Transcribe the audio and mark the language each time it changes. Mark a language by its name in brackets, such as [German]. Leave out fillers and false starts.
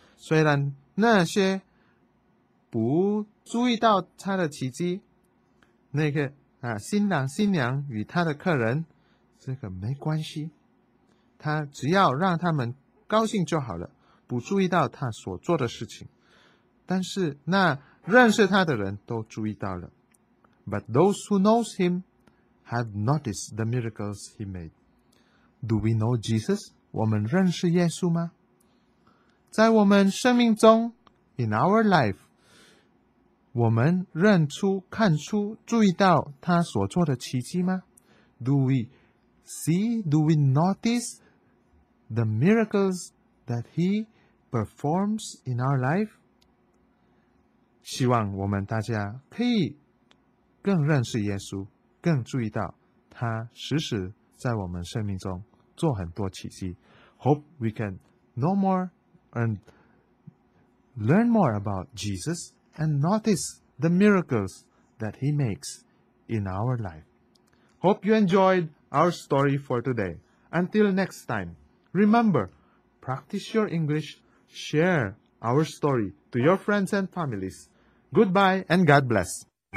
[Chinese] 虽然那些不注意到他的奇迹，那个新郎新娘与他的客人，这个没关系，他只要让他们高兴就好了，不注意到他所做的事情。但是那认识他的人都注意到了。 [English] But those who know him have noticed the miracles he made. Do we know Jesus? [Chinese] 我们认识耶稣吗？在我们生命中 [English] in our life， [Chinese] 我们认出看出注意到他所做的奇迹吗？ [English] Do we see, do we notice the miracles that he performs in our life？ [Chinese] 希望我们大家可以更认识耶稣，更注意到他时时在我们生命中做很多奇迹。 [English] Hope we can know more and learn more about Jesus and notice the miracles that he makes in our life. Hope you enjoyed our story for today. Until next time, remember, practice your English, share our story to your friends and families. Goodbye and God bless.